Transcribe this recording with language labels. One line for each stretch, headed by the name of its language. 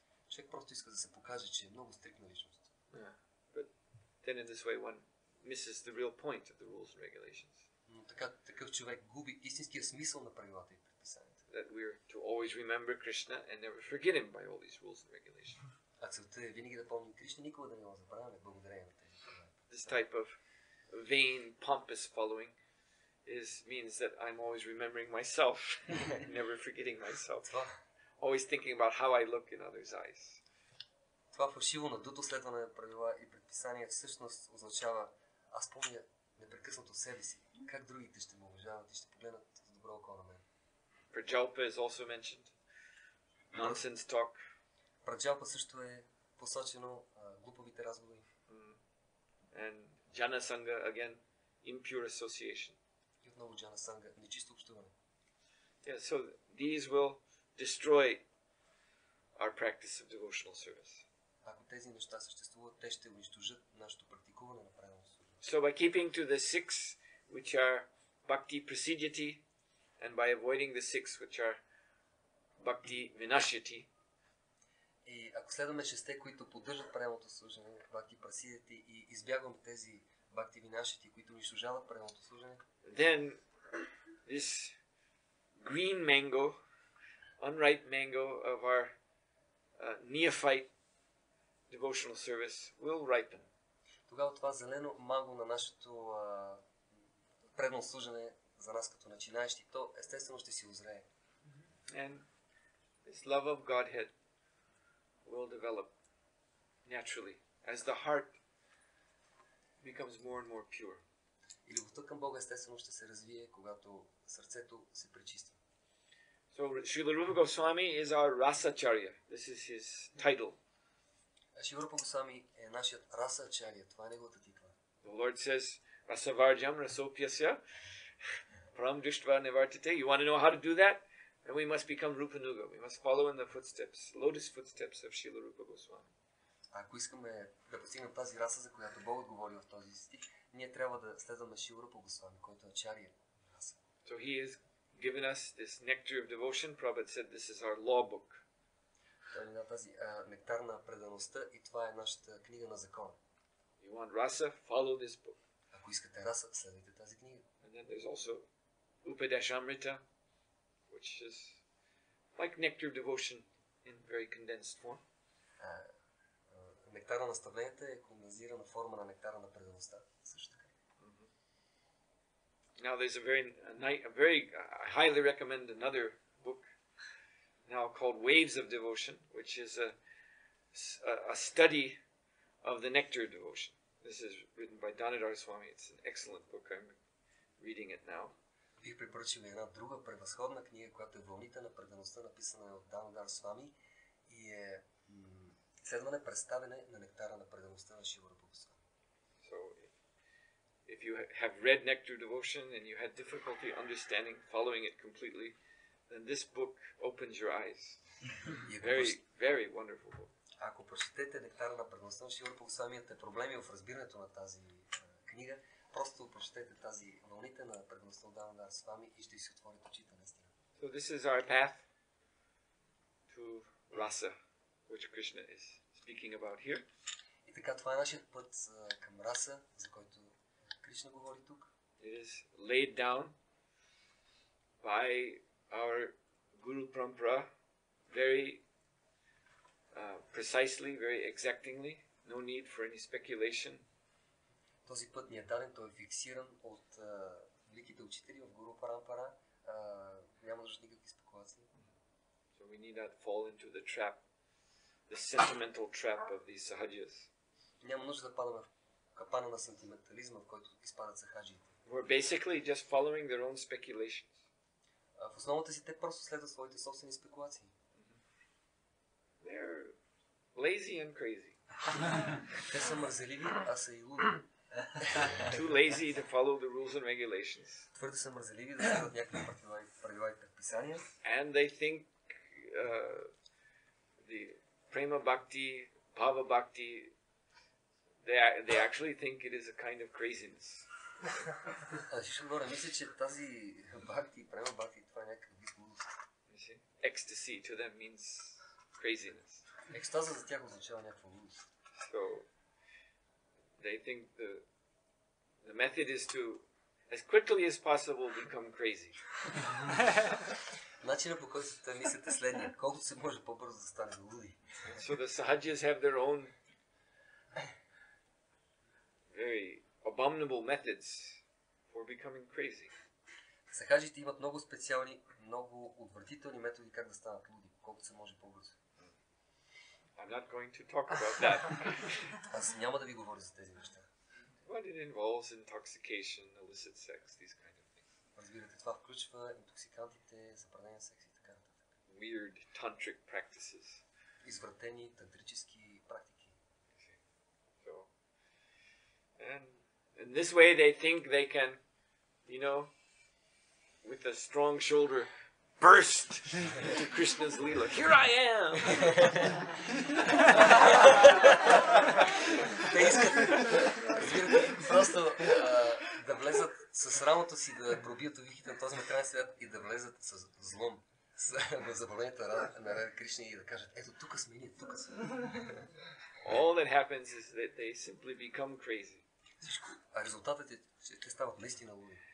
Bulgarian: Човек просто иска да се покаже, че е много стриктна личност.
English: But then in this way one misses the real point of the rules and regulations.
Bulgarian: Но така, такъв човек губи истинския смисъл на правилата и предписанията.
English: That we are to always remember Krishna and never forget him by all these rules and regulations.
Bulgarian: А целта е винаги да помним Кришна, никога да не го забравяме. Благодарение на тези правила.
English: This type of vain, pompous following means that I'm always remembering myself, never forgetting myself, always thinking about how I look in others' eyes.
Bulgarian: Това фалшиво надуто следване на правила и предписания всъщност означава аз помня непрекъснато себе си, как другите ще ме уважават и ще погледнат с добро око на мен.
English: Праджалпа is also mentioned. Nonsense talk.
Bulgarian: Праджалпа също е посочено, глупавите разговори.
English: And Jana Sangha, again, impure association.
Bulgarian: Отново Jana Sangha, нечисто общуване.
English: Yeah, so these will destroy our practice of devotional service.
Bulgarian: Ако тези неща съществуват, те ще унищожат нашето практикуване на правилно служение.
English: So by keeping to the six, which are bhakti prasidyati, and by avoiding the six, which are bhakti vinashyati,
Bulgarian: и ако следваме шесте, които поддържат правилното служене, бхакти прасидети, и избягвам тези бхакти винашити, които унищожават правилното служене,
English: then this green mango, unripe mango of our neophyte devotional service will ripen.
Bulgarian: Тогава това зелено манго на нашето предно служене за нас като начинаещи, то естествено ще си узрее.
English: And this love of Godhead will develop naturally as the heart becomes more and more pure.
Bulgarian: И любовта към Бога естествено ще се развие, когато сърцето се пречиства.
English: So Srila Rupa Goswami is our Rasacharya. This is his title.
Bulgarian: Srila Rupa Goswami е нашият Rasacharya. Това е неговата титла.
English: The Lord says,
Sanskrit: Rasavarjam Rasopyasya Param Drishtva Nivartite.
English: You want to know how to do that? And we must become Rupa Nuga. We must follow in the footsteps, lotus footsteps of Srila Rupa Goswami.
Bulgarian: Ако искаме да постигнем тази раса, за която Бог говори в този стих, ние трябва да следваме Шрила Рупа Госвами, който е ачария раса.
English: So he has given us this nectar of devotion. Prabhupada said this is our law book.
Bulgarian: Той ни дава тази нектар на предаността и това е нашата книга на закона.
English: You want rasa? Follow this book.
Bulgarian: Ако искате раса, следвайте тази книга.
English: And then there's also Upadeshamrita, which is like nectar of devotion in very condensed form.
Bulgarian: Нектара на наставленията е кондензирана форма на нектара на предаността, също така.
English: Now there's a very highly recommend another book now called Waves of Devotion, which is a study of the nectar of devotion. This is written by Danadhar Swami. It's an excellent book. I'm reading it now.
Bulgarian: Бих препоръчил една друга превъзходна книга, която е Вълните на предаността, написана от Данадар Свами и е следване, представене на нектара на предаността на Шива Рупа Госвами.
English: So, if you have read Nectar Devotion and you had difficulty understanding, following it completely, then this book opens your eyes. Very, very wonderful book.
Bulgarian: Ако прочетете Нектара на предаността на Шива Рупа Госвами, имате проблеми в разбирането на тази книга, просто прочетете тази Вълните на предаността от Данадар Свами и ще си отворите очите наистина.
English: So this is our path to rasa, which Krishna is speaking about here.
Bulgarian: И така това е нашият път към раса, за който Кришна говори тук.
English: It is laid down by our Guru Parampara very precisely, very exactingly, no need for any speculation.
Bulgarian: Този път ни е даден, той е фиксиран от великите учители в Гуру Парампара. Няма нужда никакви спекулации.
English: So we need not fall into the trap, the sentimental trap of these sahajas.
Bulgarian: Няма нужда да падаме в капана на сантиментализма, в който изпадат сахаджиите.
English: We're basically just following their own speculations.
Bulgarian: В основата си те просто следват своите собствени спекулации.
English: They're lazy and crazy.
Bulgarian: Те са мързеливи, а са и луди.
English: Too lazy to follow the rules and regulations.
Bulgarian: Твърде са мързеливи да следват някакви правила и предписания.
English: And they think the prema bhakti, bhava bhakti, they actually think it is a kind of craziness.
Bulgarian: Шумора, мисля, че тази бхакти, према бхакти, това е някакъв вид лудост.
English: Ecstasy to them means craziness.
Bulgarian: Екстаза за тях означава някаква лудост.
English: So, they think the method is to, as quickly as possible, become crazy.
Bulgarian: Начинът, по който те мислят, е следния. Колкото се може по-бързо да стане луди.
English: So the sahajas have their own very abominable methods for becoming crazy.
Bulgarian: Сахаджите имат много специални, много отвратителни методи как да станат луди, колкото се може по-бързо.
English: I'm not going to talk about that.
Bulgarian: Аз няма да ви говоря за тези неща.
English: What it involves, intoxication, illicit sex, these kind of things.
Bulgarian: Разбирате, това включва интоксикантите, забранения секс и така нататък.
English: Weird tantric practices.
Bulgarian: Извратени тантрически практики.
English: So, and in this way they think they can, you know, with a strong shoulder, burst into Krishna's lila. Here I am!
Bulgarian: Те искат, разбирате, просто да влезат с рамото си, да пробият овихите на този материален свят и да влезат с злом на забранението на Рада Кришна и да кажат, ето тук сме ние, тук сме.
English: All that happens is that they simply become crazy.
Bulgarian: Всичко, а резултатът е, че те стават наистина луди.